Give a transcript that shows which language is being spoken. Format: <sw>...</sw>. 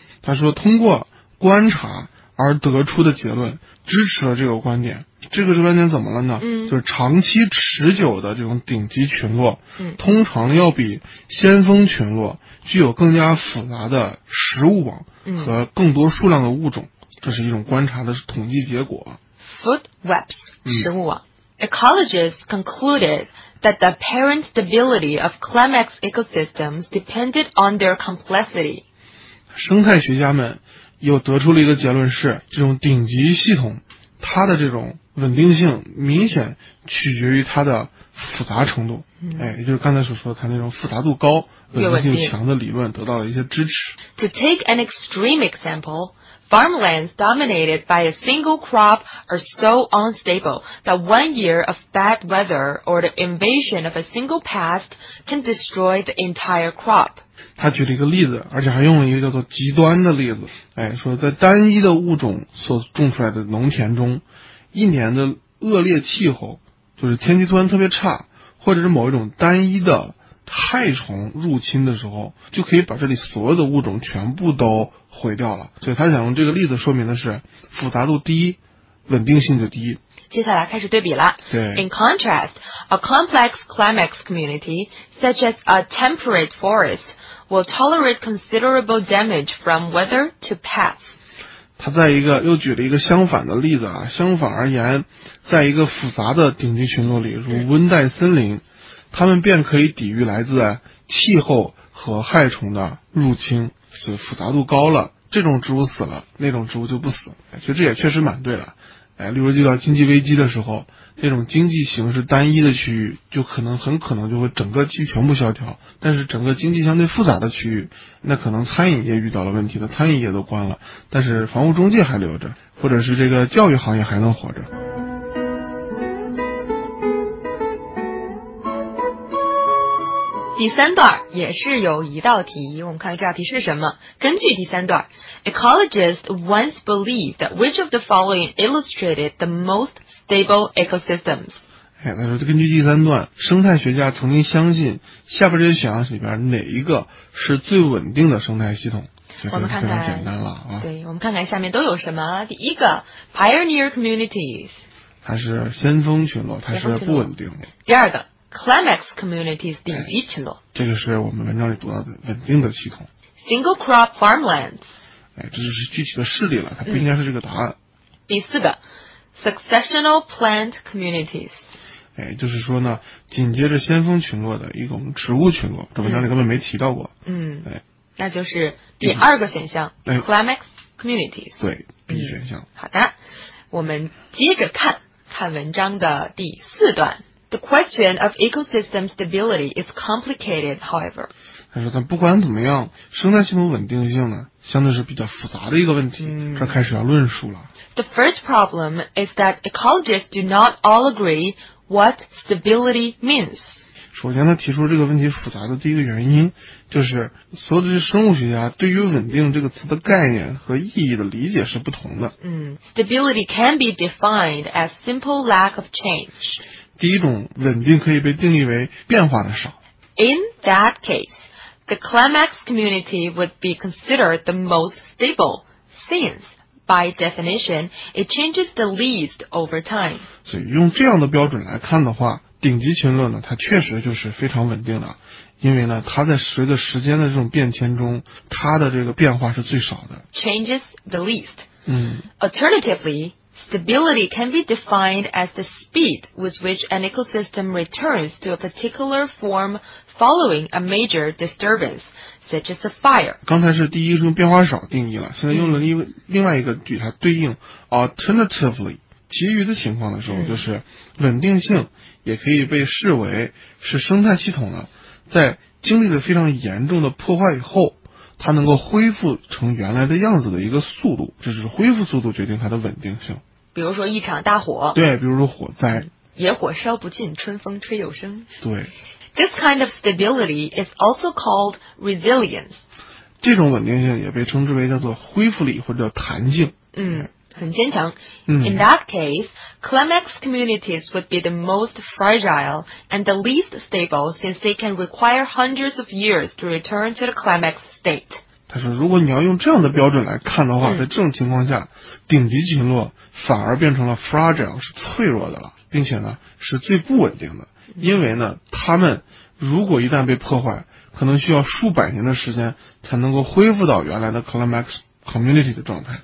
<zh>他说通过观察而得出的结论支持了这个观点。这个观点怎么了呢？就是长期持久的这种顶级群落，通常要比先锋群落具有更加复杂的食物网和更多数量的物种。这是一种观察的统计结果。</zh> <en>Food webs,</en> <zh>食物网。</zh> <en>Ecologists concluded that the apparent stability of climax ecosystems depended on their complexity.</en> <zh>生态学家们又得出了一个结论是，这种顶级系统，它的这种稳定性明显取决于它的复杂程度。也就是刚才所说的它那种复杂度高、稳定性强的理论得到了一些支持。</zh> <en>To take an extreme example,Farmlands dominated by a single crop are so unstable that one year of bad weather or the invasion of a single pest can destroy the entire crop.</en> <zh>他举了一个例子，而且还用了一个叫做极端的例子。说在单一的物种所种出来的农田中，一年的恶劣气候，就是天气突然特别差，或者是某一种单一的害虫入侵的时候，就可以把这里所有的物种全部都毁掉了。所以他想用这个例子说明的是，复杂度低，稳定性就低。接下来开始对比了。对。</zh> <en>In contrast, a complex climax community, such as a temperate forest, will tolerate considerable damage from weather to pests.</en> <zh>他在一个，又举了一个相反的例子啊，相反而言，在一个复杂的顶级群落里，如温带森林，他们便可以抵御来自气候和害虫的入侵。所以复杂度高了，这种植物死了，那种植物就不死。其实这也确实蛮对的。例如遇到经济危机的时候，那种经济形势单一的区域就可能很可能就会整个区域全部萧条，但是整个经济相对复杂的区域，那可能餐饮业遇到了问题，的餐饮业都关了，但是房屋中介还留着，或者是这个教育行业还能活着。第三段也是有一道题，我们看这道题是什么。根据第三段，</zh> <en>Ecologists once believed that which of the following illustrated the most stable ecosystems?</en> <zh>他说根据第三段，生态学家曾经相信下边这些选项里边哪一个是最稳定的生态系统。我们看看，非常简单了啊。对，我们看看下面都有什么。第一个</zh> <en>Pioneer Communities，</en> <zh>它是先锋群落，它是不稳定的。第二个Climax communities 顶级群落，这个是我们文章里读到的稳定的系统。</zh> <en>Single crop farmlands，</en> <zh>这就是具体的事例了，它不应该是这个答案。</zh> <en>第四个 successional plant communities，</en> <zh>就是说呢，紧接着先锋群落的一种植物群落，这文章里根本没提到过。那就是第二个选项 climax communities，对 B 选项。好的，我们接着看看文章的第四段。</zh> <en>The question of ecosystem stability is complicated, however.</en> <zh>他说但不管怎么样，生态系统稳定性呢，相对是比较复杂的一个问题，这开始要论述了。</zh> <en>The first problem is that ecologists do not all agree what stability means.</en> <zh>首先他提出这个问题复杂的第一个原因，就是所有的生物学家对于稳定这个词的概念和意义的理解是不同的。</zh> <en>Stability can be defined as simple lack of change.</en> <zh>第一种稳定可以被定义为变化的少。</zh> <en>In that case, the climax community would be considered the most stable, since, by definition, it changes the least over time.</en> <zh>所以用这样的标准来看的话，顶级群落呢，它确实就是非常稳定的，因为呢，它在随着时间的这种变迁中，它的这个变化是最少的。</zh> <en>Changes the least. Alternatively, Stability can be defined as the speed with which an ecosystem returns to a particular form following a major disturbance, such as a fire.</en> <zh>刚才是第一种变化少定义了，现在用了另外一个句，它对应 alternatively, 其余的情况的时候，就是稳定性也可以被视为是生态系统呢，在经历了非常严重的破坏以后，它能够恢复成原来的样子的一个速度，这就是恢复速度决定它的稳定性。比如说一场大火，对，比如说火灾，野火烧不尽，春风吹又生。对，</zh> <en>This kind of stability is also called resilience，</en> <zh>这种稳定性也被称之为叫做恢复力或者叫弹性。嗯，很坚强。嗯，</zh> <en>In that case climax communities would be the most fragile and the least stable since they can require hundreds of years to return to the climax state。</en> <zh>他说如果你要用这样的标准来看的话，在这种情况下顶级群落反而变成了 fragile， 是脆弱的了，并且呢是最不稳定的，因为呢他们如果一旦被破坏，可能需要数百年的时间才能够恢复到原来的 climax community 的状态。</zh>